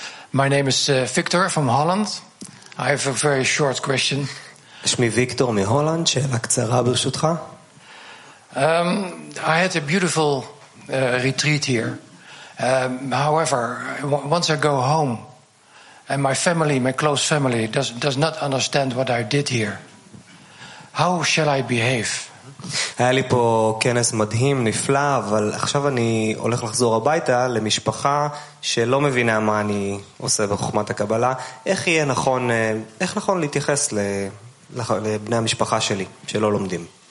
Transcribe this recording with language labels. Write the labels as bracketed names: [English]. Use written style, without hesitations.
[English] My name is Victor from Holland. I have a very short question. [Hebrew] שמי ויקטור מהולנד, שאלה קצרה ברשותך. [English] I had a beautiful retreat here. However, once I go home and my family, my close family does not understand what I did here. How shall I behave? [Hebrew] היה לי פה כנס מדהים, נפלא, אבל עכשיו אני הולך לחזור הביתה למשפחה שלא מבינה מה אני עושה בחוכמת הקבלה. איך יהיה נכון, איך נכון להתייחס לבני המשפחה שלי שלא לומדים?